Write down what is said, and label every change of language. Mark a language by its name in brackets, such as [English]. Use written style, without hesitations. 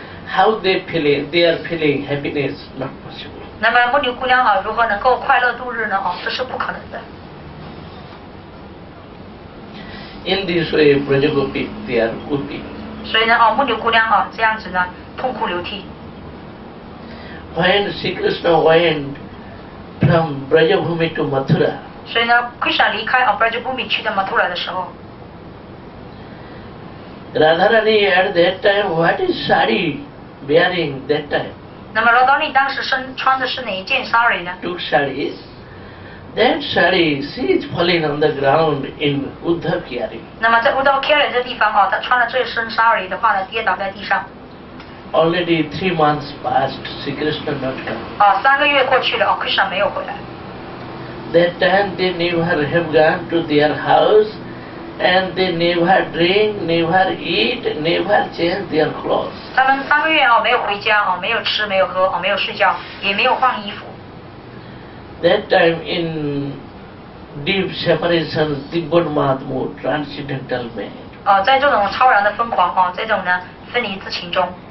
[English] How they feeling? They are feeling happiness, not possible. [Chinese] 那么牧牛姑娘啊，如何能够快乐度日呢？哦，这是不可能的。 [English] In this way, Brajabhumi, they are weeping. [Chinese] 所以呢，哦，牧牛姑娘啊，这样子呢，痛哭流涕。 [English] When Sri Krishna went from Brajabhumi to Mathura. [Chinese] 所以呢 ，Krishna 离开啊 ，Brajabhumi 去到 Mathura 的时候 [English] ，Radharani at that time what is sari wearing that time？ [Chinese] 那么 Radharani 当时穿的是哪一件 sari 呢 [English] ？Two saris. That sari she is falling on the ground in Uddhavkari. [Chinese] 那么在 Uddhavkari 这地方啊，她穿了这身 sari 的话呢，跌倒在地上。 [English] Already 3 months passed, Sri Krishna not come. [Chinese] 啊，三个月过去了，哦 ，Krishna 没有回来。 [English] That time they never have gone to their house, and they never drink, never eat, never change their clothes. [Chinese] 他们三个月哦没有回家哦，没有吃，没有喝哦，没有睡觉，也没有换衣服。 [English] That time in deep separation, Tibbon Madhmo, transcendental man. [Chinese] 哦，在这种超然的疯狂哦，这种呢分离之情中。